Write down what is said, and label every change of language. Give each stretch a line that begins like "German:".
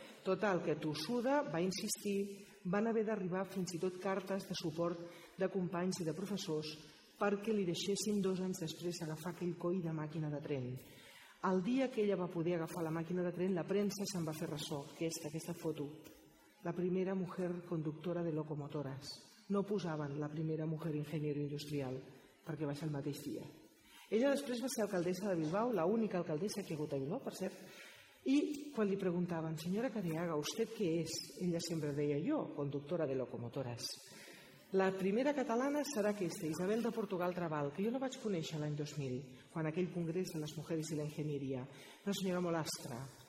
Catalan: Total, que tossuda, va insistir, van haver d'arribar fins i tot cartes de suport de companys i de professors perquè li deixessin dos anys després agafar aquell coi de màquina de tren. El dia que ella va poder agafar la màquina de tren, la premsa se'n va fer ressò, aquesta foto.
Spanish: La primera mujer conductora de locomotores.
Catalan: No posaven
Spanish: la primera mujer ingeniero industrial,
Catalan: perquè va ser el mateix dia. Ella després va ser alcaldessa de Bilbao, la única alcaldessa que ha hagut a Bilbao, per cert, i quan li preguntaven: senyora Careaga, vostè què és? Ella sempre deia: jo, conductora de locomotores. La primera catalana serà aquesta, Isabel de Portugal Trabal, que jo la vaig conèixer l'any 2000, quan aquell congrés de les mujeres i la enginyeria, una senyora molt astra.